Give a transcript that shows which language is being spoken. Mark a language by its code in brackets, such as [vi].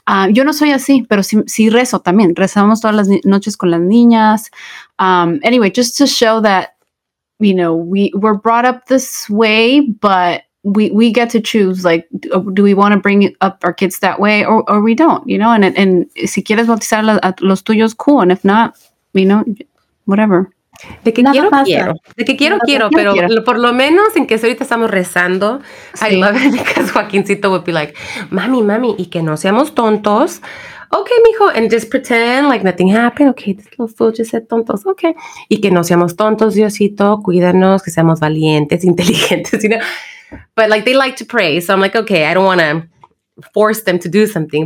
[es] Yo no soy así, pero sí rezo también. Rezamos todas las noches con las niñas. [en] Anyway, just to show that, you know, we were brought up this way, but we get to choose, like, do we want to bring up our kids that way or we don't, you know? And [es] si quieres bautizar a los tuyos, [en] cool. And if not, you know, whatever. [es] De que quiero, quiero. De que quiero, quiero. Pero por lo menos en que ahorita estamos rezando, sí. [en] I love it because Joaquincito would be like, mami, mami, [es] y que no seamos tontos. [en] Okay, mijo, and just pretend like nothing happened. Okay, this little fool just said tontos. Okay. [es] Y que no seamos tontos, Diosito, cuídanos, que seamos valientes, inteligentes, [en] you know? But like, they like to pray. So I'm like, okay, I don't want to force them to do something.